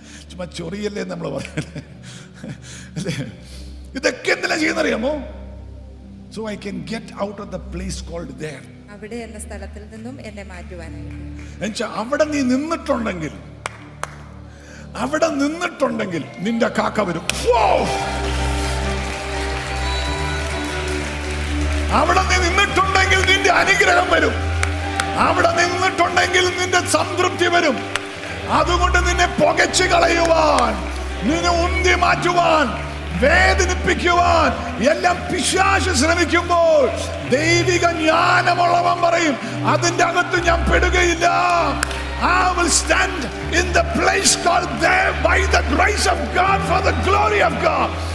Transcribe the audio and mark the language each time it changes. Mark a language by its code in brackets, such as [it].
[ml] ചുമ്മാ ചൊറിയല്ലേ നമ്മൾ പറയുന്നത്, അല്ലേ? ഇതൊക്കെ എന്തെല്ലാം ചെയ്യുന്നറിയാമോ? [en] So I can get out of the place called there. [ml] അവിടെ എന്ന സ്ഥലത്തിൽ നിന്നും എന്നെ മാറ്റുവാനായി. എന്നുവെച്ചാൽ അവിടെ നിന്നിട്ടുണ്ടെങ്കിൽ നിന്റെ കാക്ക വരും. അവിടെ നീ നിന്നിട്ടുണ്ടെങ്കിൽ നിന്റെ അനുഗ്രഹം വരും. അവിടെ നിന്നിട്ടുണ്ടെങ്കിൽ നിന്റെ സംതൃപ്തി വരും. അതുകൊണ്ട് നിന്നെ പുകച്ചു കളയുവാൻ, നിന്നെ ഉന്തി മാറ്റുവാൻ, വേദനിപ്പിക്കുവാൻ എല്ലാം പിശാച് ശ്രമിക്കുമ്പോൾ ദൈവിക ജ്ഞാനമുള്ളവൻ പറയും, അതിന്റെ അകത്ത് ഞാൻ പെടുകയില്ല. [en] I will stand in the place called there by the grace of God for the glory of God.